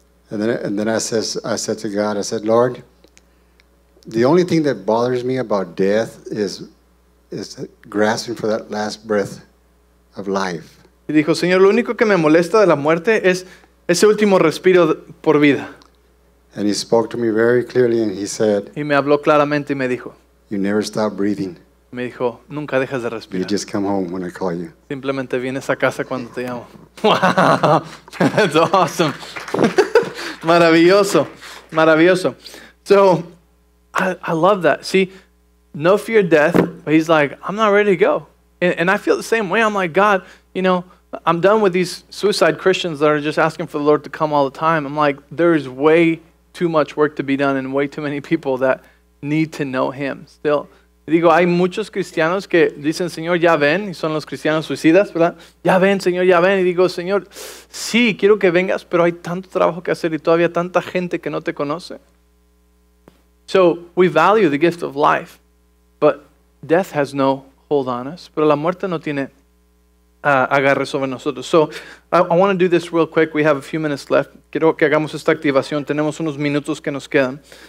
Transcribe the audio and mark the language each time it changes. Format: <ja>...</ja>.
<en>And then I said to God, I said, Lord, the only thing that bothers me about death is grasping for that last breath of life.</en> <es>Y dijo, Señor, lo único que me molesta de la muerte es ese último respiro por vida.</es> <en>And he spoke to me very clearly and he said,</en> <es>y me habló claramente y me dijo,</es> <en>you never stop breathing.</en> <es>Me dijo, nunca dejas de respirar.</es> <en>You just come home when I call you.</en> <es>Simplemente vienes a casa cuando te llamo.</es> <en>Wow, that's awesome.</en> <es>Maravilloso, maravilloso.</es> <en>So, I love that. See, no fear death, but he's like, I'm not ready to go. And I feel the same way. I'm like, God, you know, I'm done with these suicide Christians that are just asking for the Lord to come all the time. I'm like, there is way too much work to be done and way too many people that need to know him still.</en> <es>Digo, hay muchos cristianos que dicen, Señor, ya ven, y son los cristianos suicidas, ¿verdad? Ya ven, Señor, ya ven. Y digo, Señor, sí, quiero que vengas, pero hay tanto trabajo que hacer y todavía tanta gente que no te conoce.</es> <en>So, we value the gift of life, but death has no hold on us.</en> <es>Pero la muerte no tiene agarre sobre nosotros.</es> <en>So, I want to do this real quick. We have a few minutes left.</en> <es>Quiero que hagamos esta activación. Tenemos unos minutos que nos quedan.</es>